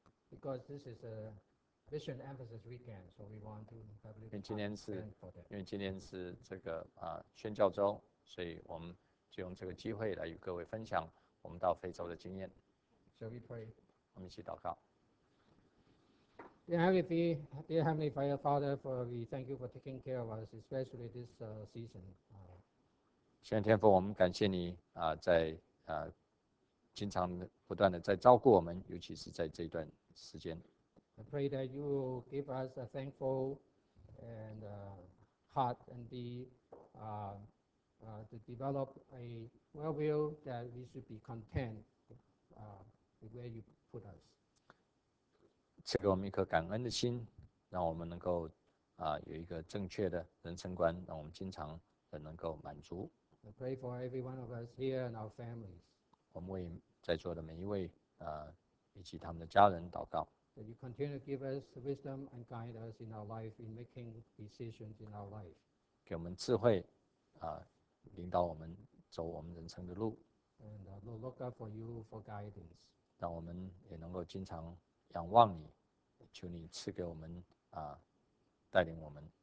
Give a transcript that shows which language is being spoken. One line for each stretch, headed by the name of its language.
English: Because this is a mission emphasis weekend, so we want to have a little time for that.
Chinese: 因为今年是这个宣教周，所以我们就用这个机会来与各位分享我们到非洲的经验。
English: Shall we pray?
Chinese: 我们一起祷告。
English: Dear Heavenly Father, we thank you for taking care of us, especially this season.
Chinese: 亲爱的天父，我们感谢你在经常不断的在照顾我们，尤其是在这段时间。
English: I pray that you will give us a thankful and heart and be to develop a well-being that we should be content with where you put us.
Chinese: 赐给我们一颗感恩的心，让我们能够有一个正确的人生观，让我们经常的能够满足。
English: I pray for every one of us here and our families.
Chinese: 我们为在座的每一位以及他们的家人祷告。
English: That you continue to give us wisdom and guide us in our life in making decisions in our life.
Chinese: 给我们智慧领导我们走我们人生的路。
English: And look up for you for guidance.
Chinese: 让我们也能够经常仰望你，求你赐给我们带领我们。